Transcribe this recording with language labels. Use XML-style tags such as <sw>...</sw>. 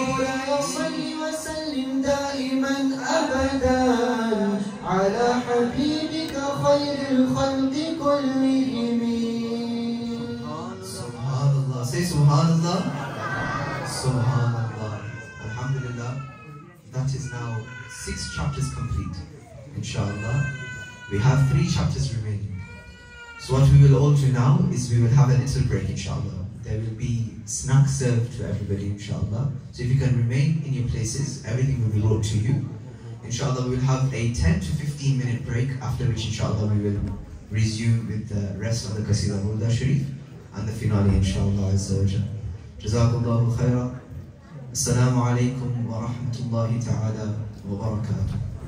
<ar>مولاي صل وسلم دائما ابدا على حبيبك خير الخلق كلهم سبحان الله سي سبحان الله سبحان الله الحمد لله</ar> <en>That is now 6 chapters complete, inshallah. We have 3 chapters remaining. So what we will all do now is we will have a little break, inshallah. There will be snack served to everybody, inshallah. So if you can remain in your places, everything will be brought to you. Inshallah, we will have a 10 to 15 minute break, after which, inshallah, we will resume with the rest of the Qasida Mulda Sharif and the finale, inshallah, Azzawajal. Jazakallahu khairan.</en> <ar>السلام عليكم ورحمة الله تعالى وبركاته</ar>